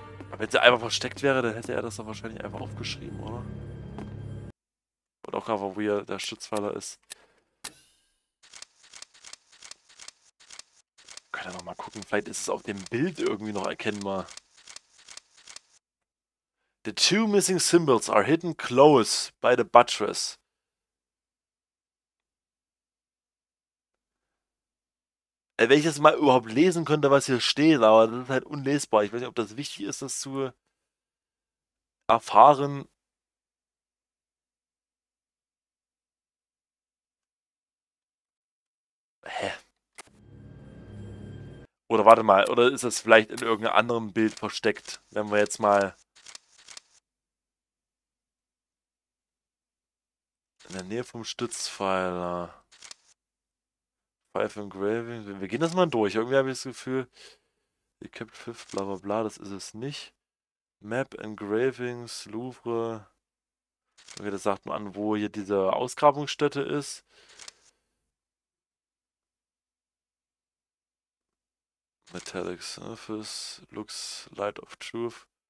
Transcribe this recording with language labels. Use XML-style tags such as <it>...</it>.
<de>Aber wenn es einfach versteckt wäre, dann hätte er das doch wahrscheinlich einfach aufgeschrieben, oder? Oder auch einfach, wo hier der Stützpfeiler ist. Noch mal gucken, vielleicht ist es auf dem Bild irgendwie noch erkennbar.</de> <en>The two missing symbols are hidden close by the buttress. A</en> <de>Wenn ich das mal überhaupt lesen könnte, was hier steht, aber das ist halt unlesbar. Ich weiß nicht, ob das wichtig ist, das zu erfahren. Oder warte mal, oder ist das vielleicht in irgendeinem anderen Bild versteckt, wenn wir jetzt mal in der Nähe vom Stützpfeiler. Five Engraving. Wir gehen das mal durch. Irgendwie habe ich das Gefühl, die Kept Fifth, bla bla bla, das ist es nicht. Map Engravings, Louvre. Okay, das sagt man an, wo hier diese Ausgrabungsstätte ist.</de> <en>Metallic Surface, Looks, Light of Truth.</en>